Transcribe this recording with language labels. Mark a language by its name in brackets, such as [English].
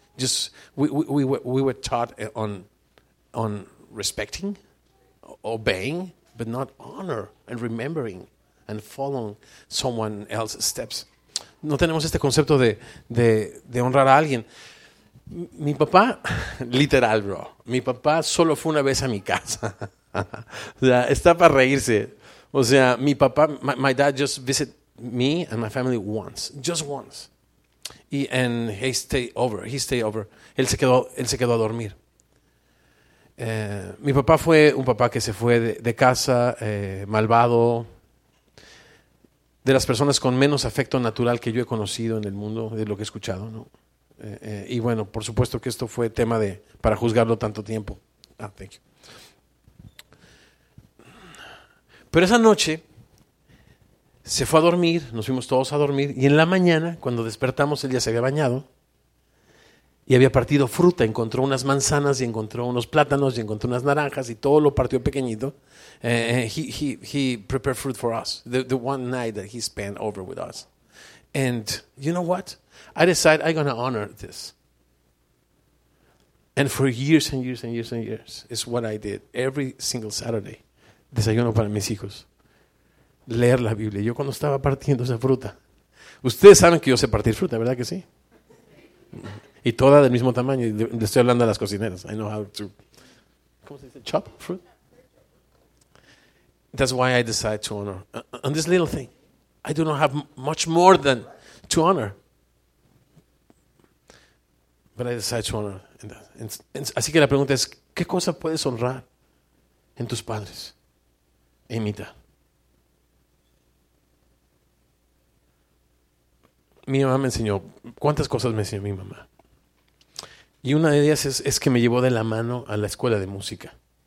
[English] Just we were taught on respecting, obeying, but not honor and remembering and following someone else's steps. [Spanish] No tenemos este concepto de honrar a alguien. Mi papá, literal, bro. Mi papá solo fue una vez a mi casa. O sea, está para reírse. O sea, mi papá, [English] my dad just visited me and my family once, just once. And he stayed over. [Spanish] Él se quedó a dormir. Mi papá fue un papá que se fue de casa, malvado, de las personas con menos afecto natural que yo he conocido en el mundo, de lo que he escuchado, ¿no? Y bueno, por supuesto que esto fue tema de para juzgarlo tanto tiempo. [English] Ah, thank you. [Spanish] Pero esa noche se fue a dormir, nos fuimos todos a dormir, y en la mañana, cuando despertamos, él ya se había bañado y había partido fruta. Encontró unas manzanas y encontró unos plátanos y encontró unas naranjas y todo lo partió pequeñito. [English] He prepared fruit for us, the one night that he spent over with us. And you know what? I decided I'm going to honor this. And for years and years and years and years is what I did. Every single Saturday, [Spanish] desayuno para mis hijos. Leer la Biblia. Yo cuando estaba partiendo esa fruta. Ustedes saben que yo sé partir fruta, ¿verdad que sí? Y toda del mismo tamaño. Le estoy hablando a las cocineras. [English] I know how to... [Spanish] ¿Cómo se dice? [English] Chop fruit. That's why I decided to honor. On this little thing, I do not have much more than to honor. But I decided to honor. [Spanish] Así que la pregunta es, ¿qué cosa puedes honrar en tus padres? E imita. Mi mamá me enseñó, ¿cuántas cosas me enseñó mi mamá? Y una de ellas es que me llevó de la mano a la escuela de música.